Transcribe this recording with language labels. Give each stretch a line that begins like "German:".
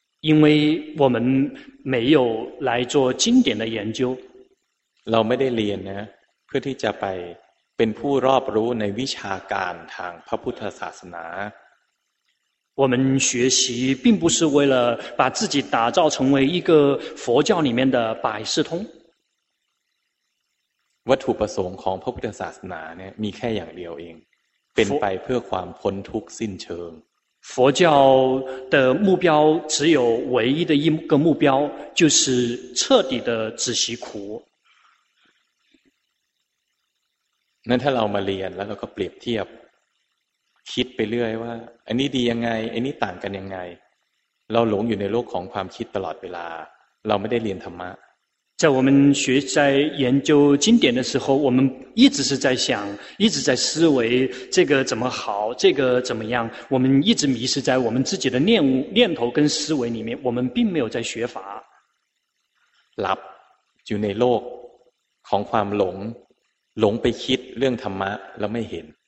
Chinese: 因为我们没有来做经典的研究。
Thai: เราไม่ได้เรียนนะเพื่อที่จะไปเป็นผู้รอบรู้ในวิชาการทางพระพุทธศาสนา
Chinese: 我们学习并不是为了把自己打造成为一个佛教里面的百事通
Thai: วัตถุประสงค์ของพระพุทธศาสนาเนี่ยมีแค่อย่างเดียวเองเป็นไปเพื่อความพ้นทุกข์สิ้นเชิง
Chinese: 佛教的目标只有唯一的一个目标就是彻底的止息苦
Thai: นั้นถ้าเรามาเรียนแล้วเราก็เปรียบเทียบคิดไปเรื่อยว่าอันนี้ดียังไงอันนี้ต่างกันยังไงเราหลงอยู่ในโลกของความคิดตลอดเวลาเราไม่ได้เรียนธรรมะ
Chinese: 在我们学在研究经典的时候我们一直是在想一直在思维这个怎么好这个怎么样我们一直迷失在我们自己的念头跟思维里面我们并没有在学法
Thai: หลับอยู่ในโลกของความหลงหลงไปคิดเรื่องธรรมะแล้วไม่เห็น